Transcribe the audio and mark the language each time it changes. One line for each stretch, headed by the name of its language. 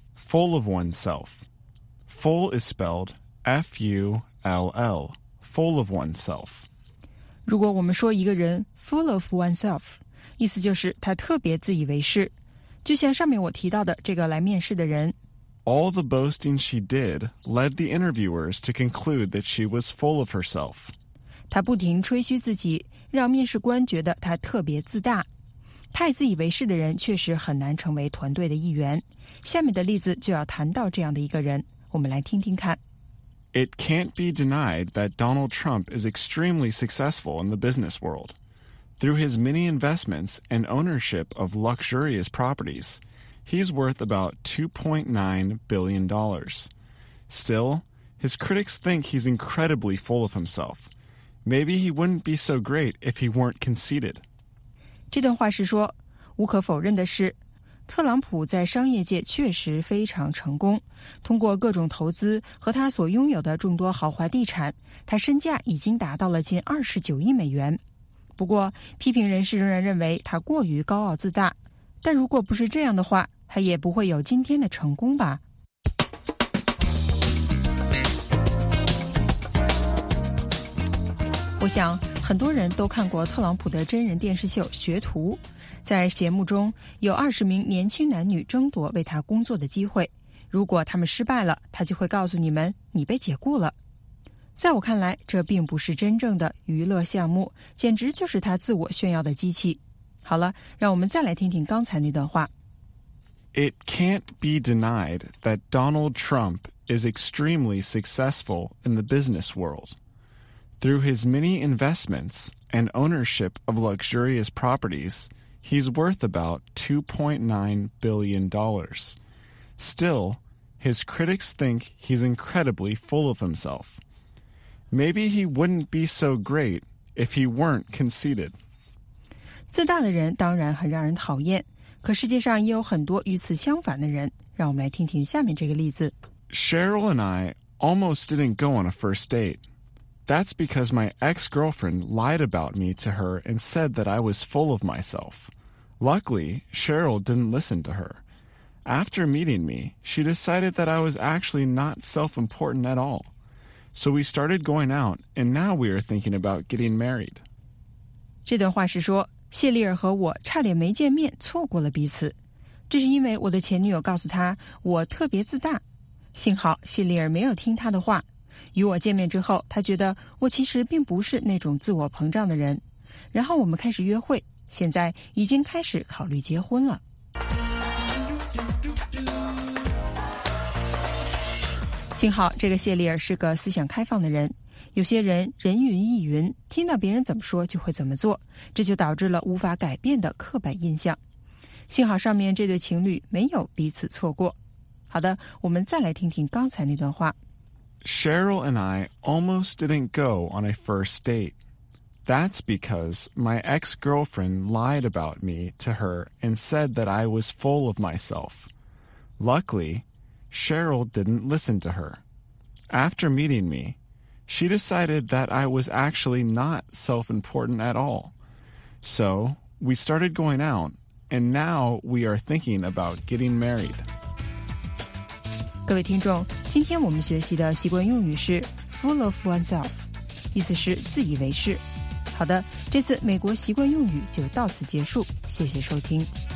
English: Full of oneself. Full is spelled F-U-L-L. Full of oneself.
Chinese: 如果我们说一个人 full of oneself, 意思就是他特别自以为是。就像上面我提到的这个来面试的人
English: All the boasting she did led the interviewers to conclude that she was full of herself.
Chinese: 她不停吹嘘自己，让面试官觉得她特别自大。太自以为是的人确实很难成为团队的一员。下面的例子就要谈到这样的一个人，我们来听听看。
English: It can't be denied that Donald Trump is extremely successful in the business world. Through his many investments and ownership of luxurious properties, he's worth about $2.9 billion. Still, his critics think he's incredibly full of himself. Maybe he wouldn't be so great if he weren't conceited.
Chinese: 这段话是说，无可否认的是，特朗普在商业界确实非常成功。通过各种投资和他所拥有的众多豪华地产，他身价已经达到了近$29亿。不过批评人士仍然认为他过于高傲自大，但如果不是这样的话，他也不会有今天的成功吧。我想很多人都看过特朗普的真人电视秀《学徒》，在节目中有20名年轻男女争夺为他工作的机会，如果他们失败了，他就会告诉你们你被解雇了。在我看来，这并不是真正的娱乐项目，简直就是他自我炫耀的机器。好了，让我们再来听听刚才那段话。
English: It can't be denied that Donald Trump is extremely successful in the business world. Through his many investments and ownership of luxurious properties, he's worth about $2.9 billion. Still, his critics think he's incredibly full of himself. Maybe he wouldn't be so great if he weren't conceited.
Chinese: 自大的人当然很让人讨厌，可世界上也有很多与此相反的人。让我们来听听下面这个例子。
English: Cheryl and I almost didn't go on a first date. That's because my ex-girlfriend lied about me to her and said that I was full of myself. Luckily, Cheryl didn't listen to her. After meeting me, she decided that I was actually not self-important at all. So we started going out, and now we are thinking about getting married.
Chinese: 这段话是说，谢丽尔和我差点没见面，错过了彼此。这是因为我的前女友告诉他我特别自大。幸好谢丽尔没有听他的话，与我见面之后，他觉得我其实并不是那种自我膨胀的人。然后我们开始约会，现在已经开始考虑结婚了。幸好这个谢丽尔是个思想开放的人，有些人人云亦云，听到别人怎么说就会怎么做，这就导致了无法改变的刻板印象。幸好上面这对情侣没有彼此错过。好的，我们再来听听刚才那段话。
English: Cheryl and I almost didn't go on a first date. That's because my ex-girlfriend lied about me to her and said that I was full of myself. Luckily,Cheryl didn't listen to her. After meeting me, she decided that I was actually not self-important at all. So, we started going out, and now we are thinking about getting married.
Chinese: 各位听众，今天我们学习的习惯用语是 full of oneself, 意思是自以为是。好的，这次美国习惯用语就到此结束，谢谢收听。